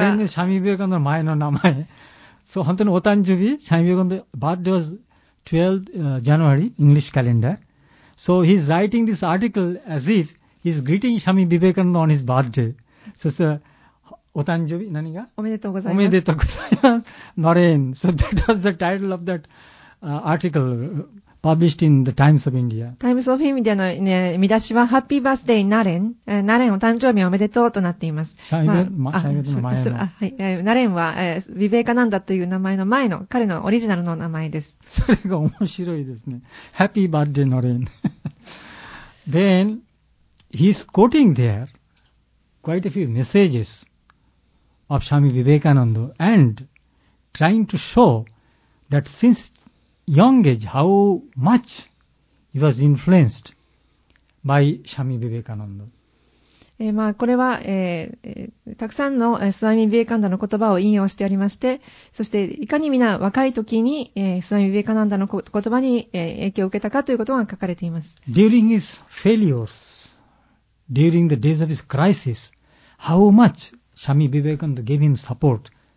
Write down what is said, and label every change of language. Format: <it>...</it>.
<en>Noren is Swami Vivekananda</en> <ja>の前の名前。そう、本当にお誕生日、</ja> <en>Swami Vivekananda birthday was 12th January, English calendar. So he's writing this article as if he's greeting Swami Vivekananda on his birthday. So, so</en> <ja>お誕生日、何が？おめでとうございます。おめでとうございます。</ja> <en>Noren. So that was the title of that article. Published in the Times of India.</en> <ja>Times of India の、ね、見出しは</ja> <en>Happy Birthday Naren。</en> <ja>Naren お誕生日おめでとうとなっています。 Naren は、ヴィヴェカナンダという名前の前の彼のオリジナルの名前です。それが面白いですね。</ja> <en>Happy Birthday Naren. Then he's quoting there quite a few messages of Swami Vivekananda and trying to show that since young age, how much he was influenced by Swami Vivekananda.</en> <ja>まあ、これは、たくさんのスワミ・ヴィヴェカナンダの言葉を引用しておりまして、そしていかにみんな若い時に、スワミ・ヴィヴェカナンダの言葉に、影響を受けたかということが書かれています。</ja> <en>During his failures, during the days of his crisis, how much Swami Vivekananda gave him support.</en>